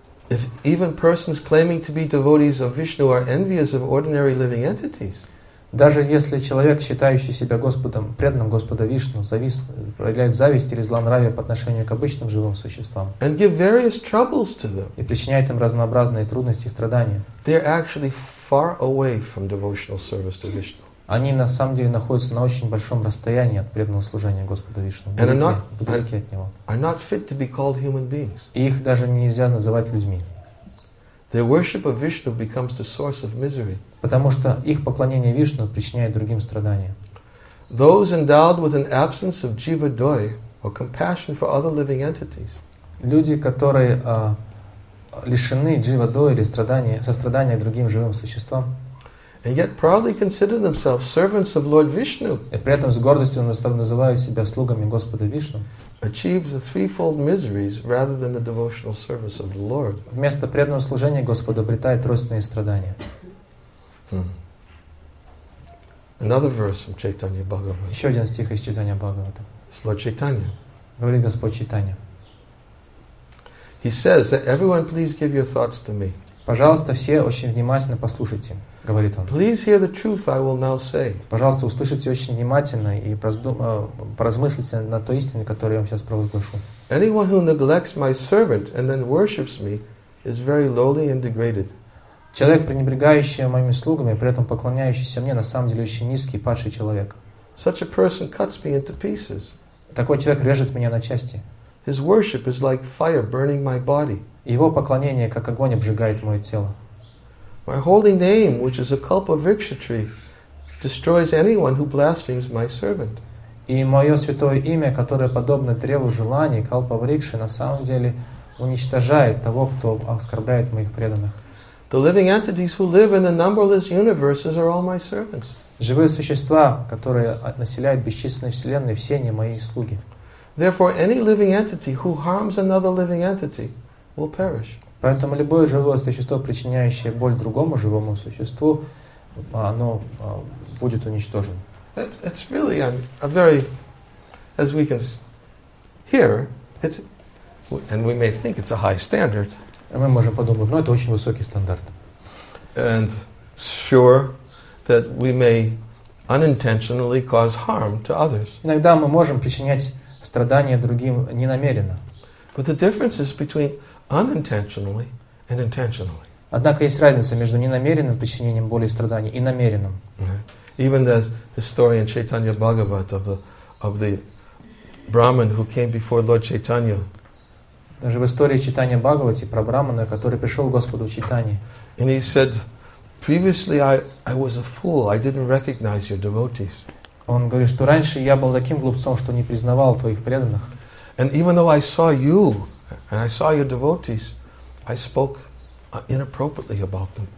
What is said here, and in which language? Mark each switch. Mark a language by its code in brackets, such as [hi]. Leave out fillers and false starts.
[en] if even persons claiming to be devotees of Vishnu are envious of ordinary living entities, [ru] даже если человек, считающий себя Господом, преданным Господа Вишну, проявляет зависть или злонравие по отношению к обычным живым существам, [en] and give various troubles to them, [ru] и причиняет им разнообразные трудности и страдания, [en] they are actually far away from devotional service to Vishnu. [ru] Они на самом деле находятся на очень большом расстоянии от преданного служения Господу Вишну, вдалеке от Него. [en] Are not fit to be called human beings. [ru] И их даже нельзя называть людьми. [en] Their worship of Vishnu becomes the source of misery. [ru] Потому что их поклонение Вишну причиняет другим страдания. [en] Those endowed with an absence of jiva-doya, or compassion for other living entities. [ru] Люди, которые лишены jiva-doya или сострадания другим живым существам, [en] and yet proudly consider themselves servants of Lord Vishnu. [ru] И при этом с гордостью называют себя слугами Господа Вишну. [en] Achieve the threefold miseries rather than the devotional service of the Lord. [ru] Вместо преданного служения Господу обретает тройственные страдания. [en] Another verse from Chaitanya Bhagavata. [ru] Еще один стих из Чайтанья Бхагавата. [en] Lord Chaitanya. [ru] Говорит Господь Чайтанья. [en] He says that everyone please give your thoughts to me. [ru] Пожалуйста, все очень внимательно послушайте, говорит он. [en] Please hear the truth I will now say. [ru] Пожалуйста, услышите очень внимательно и поразмыслите над той истиной, которую я вам сейчас провозглашу. [en] Anyone who neglects my servant and then worships me is very lowly and degraded. [ru] Человек, пренебрегающий моими слугами, при этом поклоняющийся мне, на самом деле очень низкий и падший человек. [en] Such a person cuts me into pieces. [ru] Такой человек режет меня на части. [en] His worship is like fire burning my body. [ru] Его поклонение, как огонь, обжигает мое тело. [en] My holy name, which is a kalpa viksha tree, destroys anyone who blasphemes my servant. [ru] И мое святое имя, которое подобно древу желаний, kalpa viksha, на самом деле уничтожает того, кто оскорбляет моих преданных. [en] The living entities who live in the numberless universes are all my servants. [ru] Живые существа, которые населяют бесчисленные вселенные, все они мои слуги. [en] Therefore, any living entity who harms another living entity will perish. [ru] Поэтому любое живое существо, причиняющее боль другому живому существу, оно будет уничтожено. [en] It's really a very, as we can hear, it's, and we may think it's a high standard. [ru] Мы можем подумать, но это очень высокий стандарт. [en] and sure that we may unintentionally cause harm to others. [ru] Иногда мы можем причинять страдания другим ненамеренно. [en] But the difference is between unintentionally and intentionally. [ru] Однако есть разница между ненамеренным причинением боли и страданий и намеренным. [en] Even the historian Chaitanya Bhagavat of the Brahman who came before Lord Chaitanya. [ru] Даже в истории читания Бхагавати про Брахмана, который пришел к Господу Чайтанье. [en] And he said, previously I was a fool. I didn't recognize your devotees. [ru] Он говорит, что раньше я был таким глупцом, что не признавал твоих преданных. [en] And even though I saw you and I saw your devotees, I spoke inappropriately about them.